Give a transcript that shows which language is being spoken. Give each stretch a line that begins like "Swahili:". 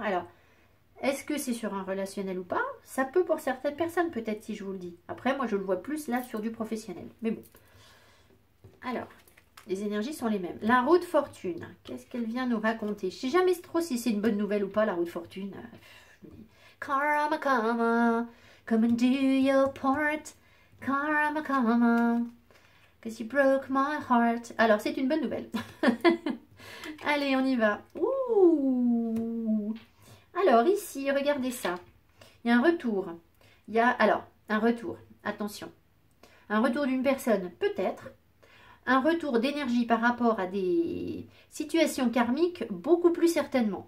French: Alors, est-ce que c'est sur un relationnel ou pas? Ça peut pour certaines personnes, peut-être, si je vous le dis. Après, moi, je le vois plus là sur du professionnel, mais bon. Alors. Les énergies sont les mêmes. La roue de fortune, qu'est-ce qu'elle vient nous raconter? Je ne sais jamais trop si c'est une bonne nouvelle ou pas, la roue de fortune.
English: Karma, karma, come and do your part. Karma, karma, cause you broke my heart.
French: Alors, c'est une bonne nouvelle. Allez, on y va. Ouh. Alors, ici, regardez ça. Il y a un retour. Il y a, alors, un retour. Attention. Un retour d'une personne, peut-être. Un retour d'énergie par rapport à des situations karmiques, beaucoup plus certainement.